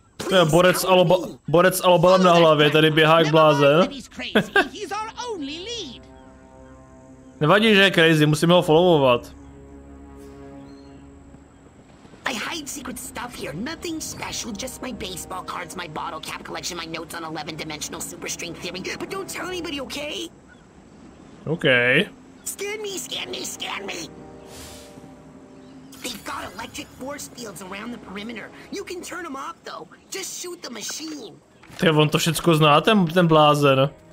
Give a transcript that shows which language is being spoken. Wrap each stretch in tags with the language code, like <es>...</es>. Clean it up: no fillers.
<cs>To je borec s alobalem na hlavě, tady běhá jak blázen. Nevadí, že je crazy, musíme ho followovat.</cs> <en>I hide secret stuff here. Nothing special, just my baseball cards, my bottle cap collection, my notes on 11-dimensional super string theory, but don't tell anybody, okay? Okay. Scan me. They've got electric force fields around the perimeter. You can turn them off though. Just shoot the machine.</en> <cs>Ty, on to všecko zná, ten blázen.</cs>